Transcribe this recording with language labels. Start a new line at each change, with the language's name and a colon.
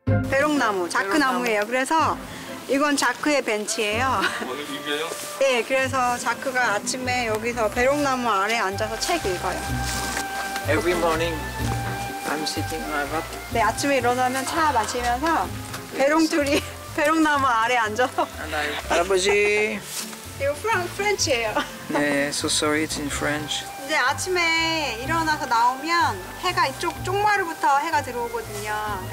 Korean: 배롱나무, 자크나무예요. 그래서 이건 자크의 벤치예요. 이게요? 네, 그래서 자크가 아침에 여기서 배롱나무 아래 앉아서 책 읽어요.
English: Every morning I'm sitting on my butt.
Korean: 네, 아침에 일어나면 차 마시면서 배롱투리, 배롱나무 아래 앉아서 할아버지. 이거 프렌치예요. 네,
English: so sorry it's in French.
Korean: 이제 아침에 일어나서 나오면 해가 이쪽 쪽마루부터 해가 들어오거든요.